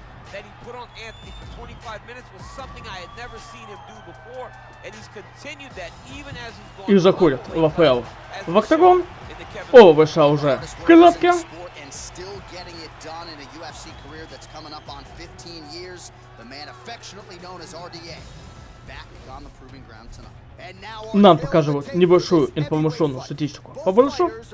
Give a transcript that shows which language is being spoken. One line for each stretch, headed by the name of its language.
English: That he put on Anthony for 25 minutes was something I had never seen him do before, and he's continued that even as he's going.
Russian: И заходит Рафаэл в октагон. О, вышел уже в клетке.
English: And still getting it done in a UFC career that's coming up on 15 years, the man affectionately known as RDA, back on the proving ground tonight.
Russian: Нам показывают небольшую информационную статистику по Бэлтеру.